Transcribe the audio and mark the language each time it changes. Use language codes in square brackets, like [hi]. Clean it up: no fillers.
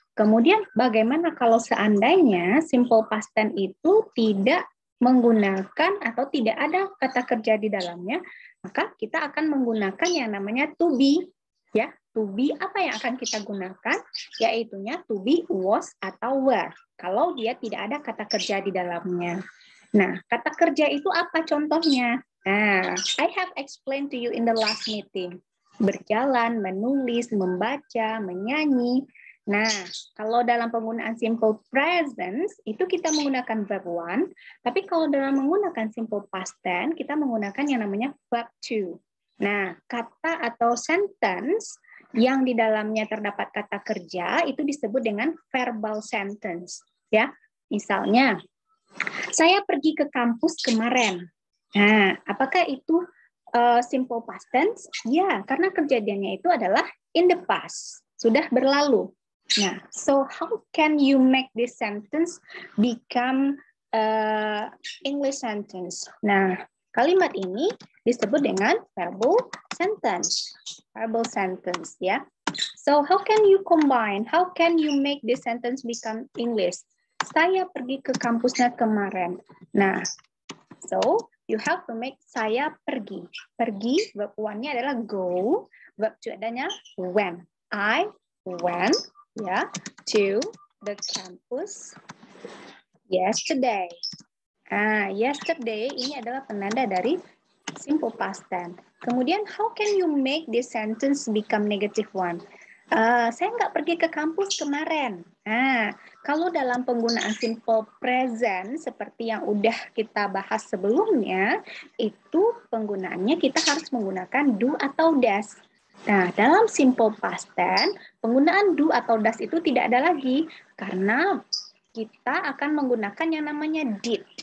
[id] Kemudian bagaimana kalau seandainya simple past tense itu tidak menggunakan atau tidak ada kata kerja di dalamnya, maka kita akan menggunakan yang namanya to be, ya. To be apa yang akan kita gunakan, yaitunya to be, was, atau were. Kalau dia tidak ada kata kerja di dalamnya. Nah, kata kerja itu apa contohnya? [en] Nah, I have explained to you in the last meeting. [id] Berjalan, menulis, membaca, menyanyi. Nah, kalau dalam penggunaan simple present, itu kita menggunakan verb one. Tapi kalau dalam menggunakan simple past tense, kita menggunakan yang namanya verb two. Nah, kata atau sentence yang di dalamnya terdapat kata kerja itu disebut dengan verbal sentence, ya. Misalnya, saya pergi ke kampus kemarin. Nah, apakah itu simple past tense? Ya, karena kejadiannya itu adalah [en] in the past, [id] sudah berlalu. [en] Nah, so how can you make this sentence become English sentence? [id] Nah, kalimat ini disebut dengan verbal sentence. [en] Verbal sentence, ya. Yeah. So, how can you combine? How can you make this sentence become English? [id] Saya pergi ke kampusnya kemarin. Nah, [en] so, you have to make [id] saya pergi. Pergi, verb one-nya adalah go. Verb two adanya when. [en] I went, ya, to the campus yesterday. [id] Ah, yesterday ini adalah penanda dari simple past tense. Kemudian, [en] how can you make this sentence become negative one? [id] Saya nggak pergi ke kampus kemarin. Nah, kalau dalam penggunaan simple present seperti yang udah kita bahas sebelumnya, itu penggunaannya kita harus menggunakan do atau does. Nah, dalam simple past tense, penggunaan do atau does itu tidak ada lagi karena kita akan menggunakan yang namanya did.